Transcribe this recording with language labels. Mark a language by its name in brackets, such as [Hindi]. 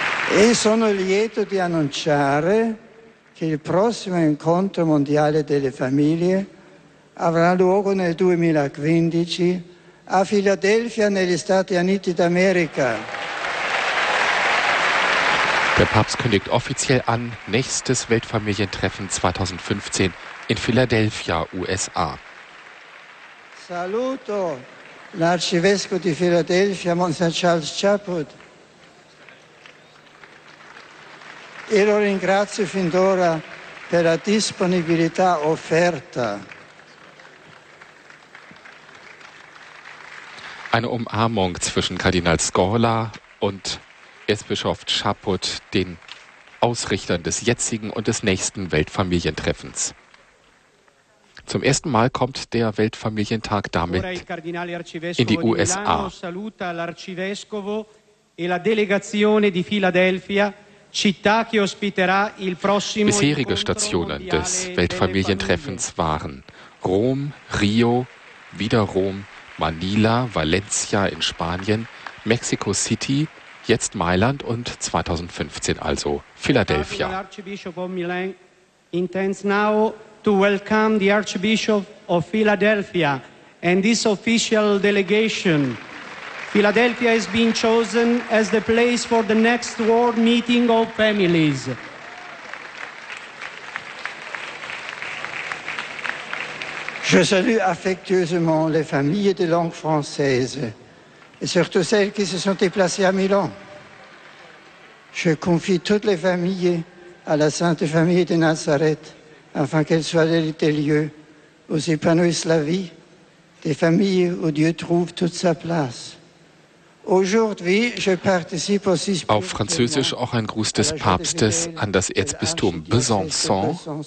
[Italian] E sono lieto di annunciare che il prossimo incontro mondiale delle famiglie avrà luogo nel 2015 a Philadelphia, negli Stati Uniti d'America. [German] Der Papst kündigt offiziell an, nächstes Weltfamilientreffen 2015 in Philadelphia, USA. [Italian] Saluto l'Arcivescovo di Philadelphia, Monsignor Charles Chaput. E lo ringrazio fin d'ora per la disponibilità offerta. [German] Eine Umarmung zwischen Kardinal Scola und Erzbischof Chaput, den Ausrichtern des jetzigen und des nächsten Weltfamilientreffens. Zum ersten Mal kommt der Weltfamilientag damit in die USA. [Italian] Saluta l'arcivescovo e la delegazione di Philadelphia. [German] Bisherige Stationen des Weltfamilientreffens waren Rom, Rio, wieder Rom, Manila, Valencia in Spanien, Mexico City, jetzt Mailand und 2015 also Philadelphia. [English] Archbishop of Milan intends now to welcome the Archbishop of Philadelphia and this official delegation. Philadelphia has been chosen as the place for the next world meeting of families. [French] Je salue affectueusement les familles de langue française et surtout celles qui se sont déplacées à Milan. Je confie toutes les familles à la Sainte Famille de Nazareth afin qu'elles soient des lieux où s'épanouisse la vie, des familles où Dieu trouve toute sa place. [German] Auf Französisch auch ein Gruß des Papstes an das Erzbistum Besançon.